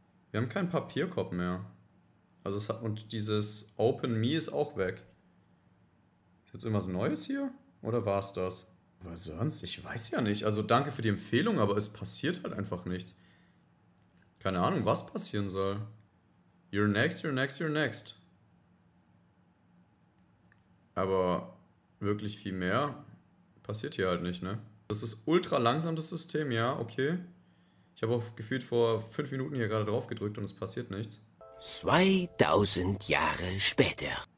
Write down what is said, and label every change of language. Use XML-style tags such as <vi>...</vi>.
<de>Wir haben keinen Papierkorb mehr. Also es hat, und dieses Open Me ist auch weg. Ist jetzt irgendwas Neues hier? Oder war es das? Aber sonst, ich weiß ja nicht. Also danke für die Empfehlung, aber es passiert halt einfach nichts. Keine Ahnung, was passieren soll.</de> <en>You're next, you're next, you're next.</en> <de>Aber wirklich viel mehr passiert hier halt nicht, ne? Das ist ultra langsam, das System, ja, okay. Ich habe auch gefühlt vor 5 Minuten hier gerade drauf gedrückt und es passiert nichts. 2000 Jahre später.</de>